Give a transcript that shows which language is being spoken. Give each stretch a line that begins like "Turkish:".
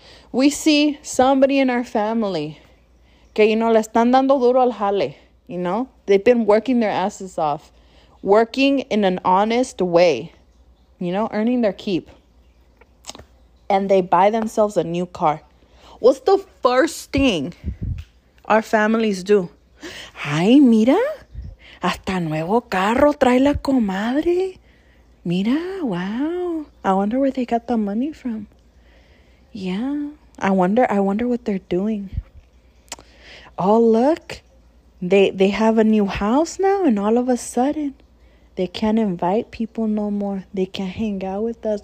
English: We see somebody in our family que, you know,
Spanish: le están dando duro al jale.
English: You know, they've been working their asses off, working in an honest way, you know, earning their keep. And they buy themselves a new car. What's the first thing our families do?
Spanish: Ay, mira, hasta nuevo carro trae la comadre. Mira, wow.
English: I wonder where they got the money from. Yeah. I wonder what they're doing. Oh, look. They have a new house now, and all of a sudden, they can't invite people no more. They can't hang out with us.